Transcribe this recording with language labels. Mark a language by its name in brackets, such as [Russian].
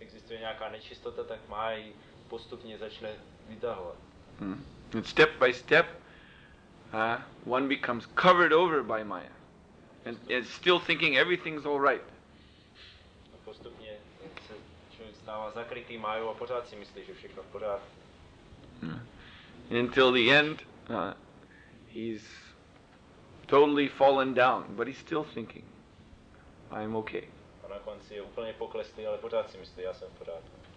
[Czech] Je nějaká nečistota, tak má ji postupně začne vytahovat. [English] And step by step, one becomes covered over by Maya, and is still thinking everything's all right. [Czech] A postupně se člověk stává zakrytý Majou a pořád si myslí, že všechno v pořádku. [English] Until the end, he's totally fallen down, but he's still thinking, I'm okay. [Czech] Na konci je úplně poklesný, ale pořád si myslí, já jsem v pořádku.